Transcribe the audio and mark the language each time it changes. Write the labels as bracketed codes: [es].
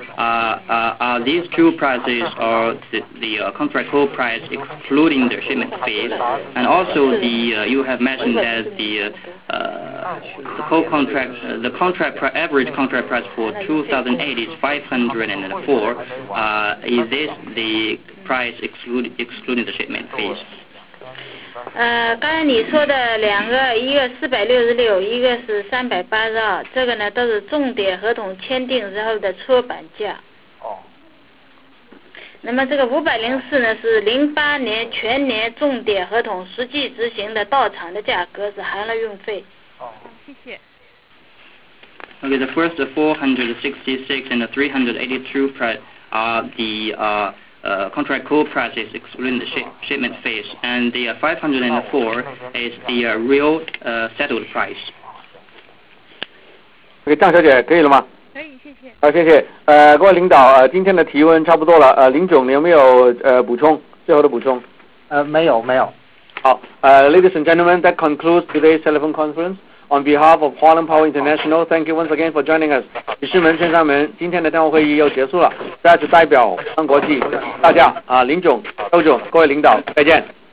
[en] Are these two prices or the contract coal price excluding the shipment fee? And also you have mentioned that the coal contract, the contract average contract price for 2008 is 504. Is this the price excluding the shipment fee? [zh] 刚才你说的两个，一个466，一个是382，这个呢都是重点合同签订之后的出版价。那么这个504呢是08年全年重点合同实际执行的到场的价格，是含了运费。谢谢。 [en] Okay, the first 466 and the 382 price are contract coal prices excluding the shipment fees, and the 504 is the real settled price. [zh] Okay, 张小姐，可以了吗？可以，谢谢。谢谢。各位领导，今天的提问差不多了。林总，你有没有补充？最后的补充？没有，没有。好。 [en] Ladies and gentlemen, that concludes today's telephone conference. On behalf of Huaneng Power International, thank you once again for joining us. [zh] 女士们、先生们，今天的电话会议又结束了。再次代表华能国际，大家啊，林总、周总，各位领导，再见。